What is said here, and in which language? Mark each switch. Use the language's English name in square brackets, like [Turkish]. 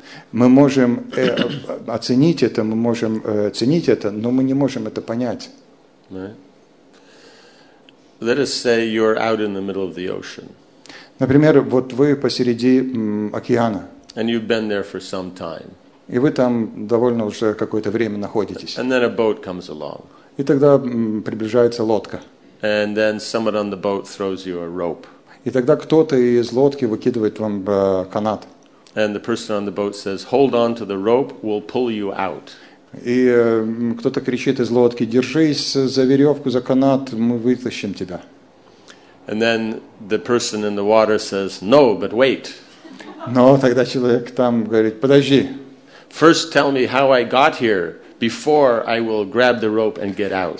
[Russian] Мы можем оценить это, мы можем ценить это, но мы не можем это понять. [English] Right. Let us say you're out in the middle of the ocean. [Russian] Например, вот вы посреди океана. [English] And you've been there for some time. [Russian] И вы там довольно уже какое-то время находитесь. [English] And then a boat comes along. [Russian] И тогда приближается лодка. [English] And then someone on the boat throws you a rope. [Russian] И тогда кто-то из лодки выкидывает вам канат. [English] And the person on the boat says, "Hold on to the rope, we'll pull you out." [Russian] И кто-то кричит из лодки: "Держись за веревку, за канат, мы вытащим тебя." [English] And then the person in the water says, "No, but wait." [Russian] Но тогда человек там говорит: "Подожди." [English] First, tell me how I got here before I will grab the rope and get out.